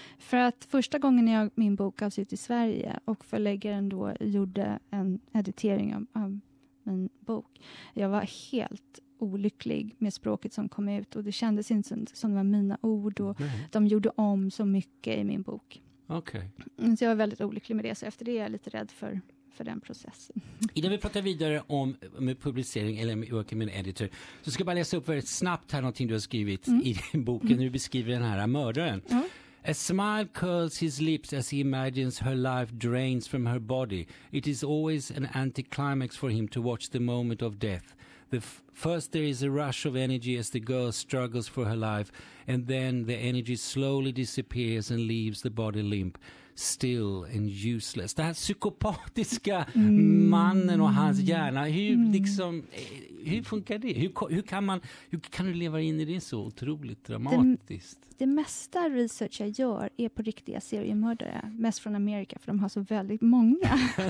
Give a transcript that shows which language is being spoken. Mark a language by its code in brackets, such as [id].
[sv] För att första gången jag min bok gavs ut i Sverige och förläggaren då gjorde en editering av min bok, jag var helt olycklig med språket som kom ut och det kändes inte som det var mina ord och de gjorde om så mycket i min bok. Okej. [en] Okay. [sv] Så jag är väldigt olycklig med det, så efter det är jag lite rädd för den processen. Innan vi pratar vidare om med publicering eller med editor, så ska jag bara läsa upp väldigt snabbt här någonting du har skrivit i din boken när du beskriver den här mördaren. Mm. [en] A smile curls his lips as he imagines her life drains from her body. It is always an anticlimax for him to watch the moment of death. First there is a rush of energy as the girl struggles for her life, and then the energy slowly disappears and leaves the body limp, still and useless. [sv] Det här psykopatiska mannen och hans hjärna, hur funkar det? Hur kan du leva in i det så otroligt dramatiskt? Det mesta research jag gör är på riktiga seriemördare, mest från Amerika, för de har så väldigt många.